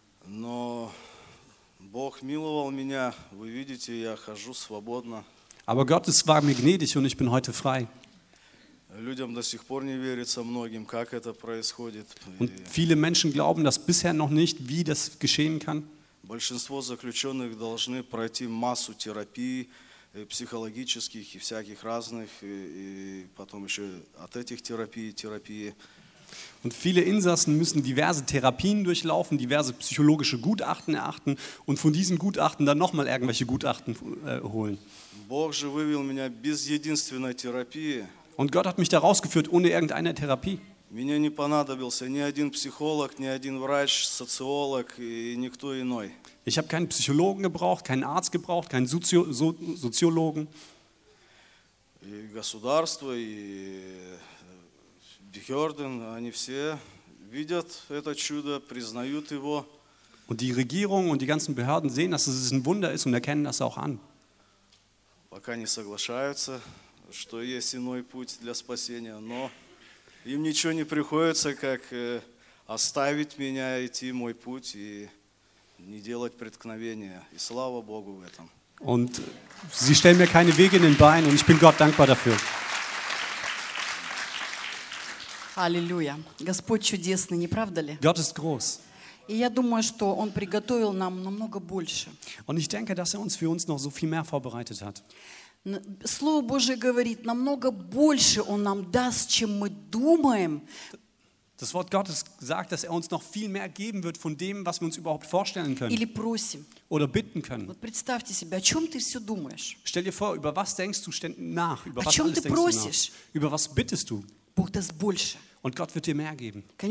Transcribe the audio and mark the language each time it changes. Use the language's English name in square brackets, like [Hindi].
[Russian] Но Бог миловал меня, вы видите, я хожу свободно. [German] Aber Gott ist war mir gnädig und ich bin heute frei. [Russian] Людям до сих пор не верится многим, как это происходит. [German] Und viele Menschen glauben das bisher noch nicht, wie das geschehen kann. [Russian] Большинство заключенных должны пройти массу терапии психологических и всяких разных, и потом еще от этих терапии. [German] Und viele Insassen müssen diverse Therapien durchlaufen, diverse psychologische Gutachten erachten und von diesen Gutachten dann nochmal irgendwelche Gutachten holen. [Russian] Бог же вывел меня без единственной терапии. [German] Und Gott hat mich da rausgeführt ohne irgendeine Therapie. [Russian] Мне не понадобился ни один психолог, ни один врач, социолог и никто иной. [German] Ich habe keinen Psychologen gebraucht, keinen Arzt gebraucht, keinen Soziologen. [Russian] И государство, и Бьёрден, они все видят это чудо, признают его. [German] Und die Regierung und die ganzen Behörden sehen, dass es ein Wunder ist und erkennen das auch an. [Russian] Пока не соглашаются, что есть иной путь для спасения, но им ничего не приходится, как оставить меня, идти мой путь и не делать преткновения. И слава Богу в этом. [German] Und sie stellen mir keine Wege in den Bein und ich bin Gott dankbar dafür. Halleluja. [Russian] Господь чудесный, не правда ли? [German] Gott ist groß. [Russian] И я думаю, что Он приготовил нам намного больше. [German] Und ich denke, dass uns für uns noch so viel mehr vorbereitet hat. [Russian] Слово Божие говорит, намного больше Он нам даст, чем мы думаем. [German] Das Wort Gottes sagt, dass er uns noch viel mehr geben wird von dem, was wir uns überhaupt vorstellen können. Oder bitten können. Stell dir vor, über was denkst du ständig nach? Über was alles denkst du nach? Über was bittest du? Und Gott wird dir mehr geben.